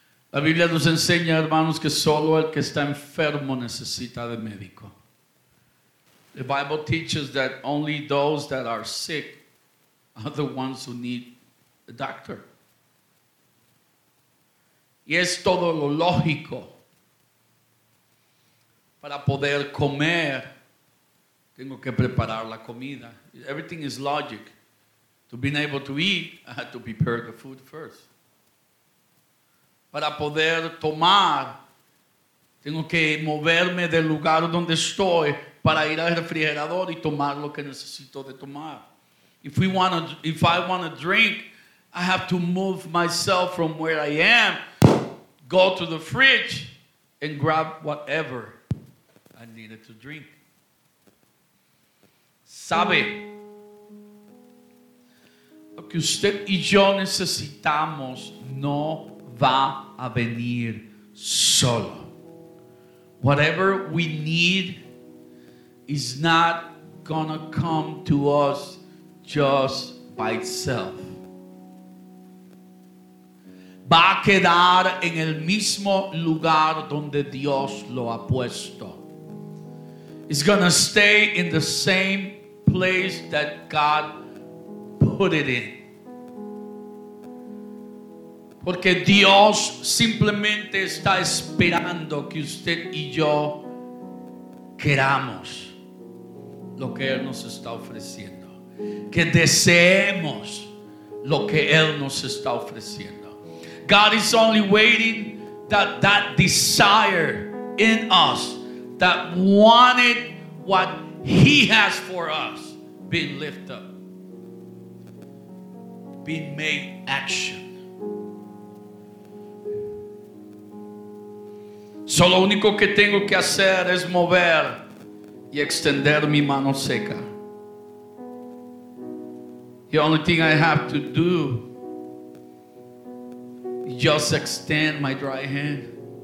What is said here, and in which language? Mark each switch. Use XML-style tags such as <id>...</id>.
<es>La Biblia nos enseña, hermanos, que solo el que está enfermo necesita de médico.</es> <en>The Bible teaches that only those that are sick are the ones who need a doctor.</en> <es>Y es todo lo lógico. Para poder comer, tengo que preparar la comida.</es> <en>Everything is logic. To be able to eat, I had to prepare the food first.</en> <es>Para poder tomar, tengo que moverme del lugar donde estoy para ir al refrigerador y tomar lo que necesito de tomar.</es> <en>If I want to drink, I have to move myself from where I am, go to the fridge and grab whatever I needed to drink.</en> <es>¿Sabe? Lo que usted y yo necesitamos no va a venir solo.</es> <en>Whatever we need is not gonna come to us just by itself.</en> <es>Va a quedar en el mismo lugar donde Dios lo ha puesto.</es> <en>It's gonna stay in the same place that God put it in.</en> <es>Porque Dios simplemente está esperando que usted y yo queramos lo que Él nos está ofreciendo. Que deseemos lo que Él nos está ofreciendo.</es> <en>God is only waiting that desire in us that wanted what He has for us being lifted up, being made action.</en> <es>So lo único que tengo que hacer es mover y extender mi mano seca.</es> <en>The only thing I have to do is just extend my dry hand.</en>